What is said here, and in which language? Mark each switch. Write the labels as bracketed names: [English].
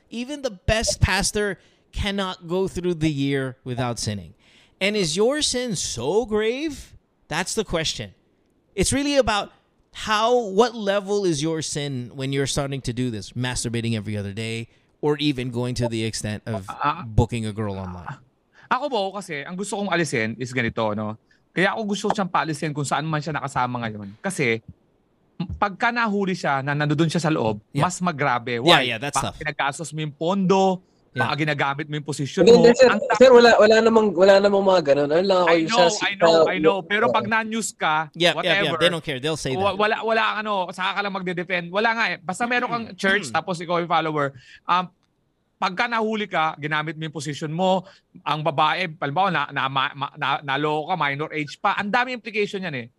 [English] Even the best pastor cannot go through the year without sinning. And is your sin so grave? That's the question. It's really about what level is your sin when you're starting to do this, masturbating every other day, or even going to the extent of booking a girl online. [Filipino] Ako ba kasi ang gusto kong alisin is ganito, no? Kaya ako gusto siyang paalisin kung saan man siya nakasama ngayon. Kasi pagka nahuli siya, na nandoon siya sa loob, mas magrabe. Why? [English] Yeah, that's tough. [Filipino] Pinag-asos mo yung pondo, Yeah. Pag ginagamit mo yung position [English] then, [Filipino] mo. Then, sir, ang sir, wala namang mga ganun. [English] I know, I know, I know, I know. [Filipino] Pero pag non-news ka, whatever. [English] They don't care. They'll say that. [Filipino] Wala kang ano, saka ka lang magde-defend. Wala nga eh. Basta meron kang church, tapos ikaw yung follower. Pagka nahuli ka, ginamit mo yung position mo, ang babae, palimbawa, naloko ka, minor age pa, ang dami implication yan eh.